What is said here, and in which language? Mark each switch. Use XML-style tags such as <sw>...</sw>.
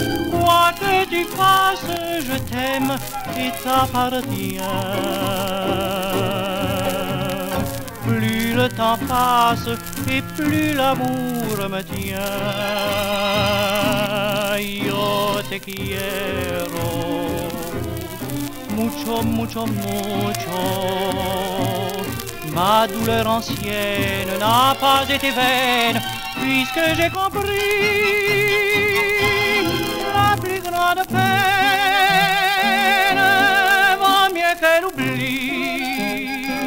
<fr>Quoi que tu fasses, je t'aime et t'appartiens. Plus le temps passe et plus l'amour me tient.</fr> <es>Yo te quiero mucho, mucho, mucho.</es> <fr>Ma douleur ancienne n'a pas été vaine, puisque j'ai compris la plus grande peine vaut mieux que l'oubli.</fr>